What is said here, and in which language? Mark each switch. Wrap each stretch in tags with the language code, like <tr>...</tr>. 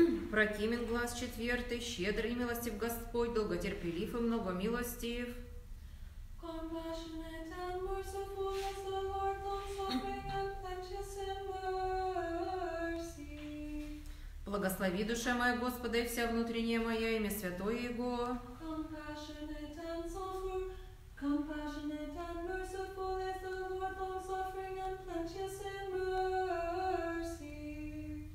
<cu>Прокимен глаз четвертый, щедр и милостив Господь, долготерпелив и многомилостив.</cu> <en>Compassionate and merciful is the Lord, long-suffering and plenteous in mercy.</en> <cu>Благослови, душа моя, Господа, и вся внутренняя моя, имя святое Его.</cu> <en>Compassionate and merciful is the Lord, long-suffering and plenteous in mercy.</en>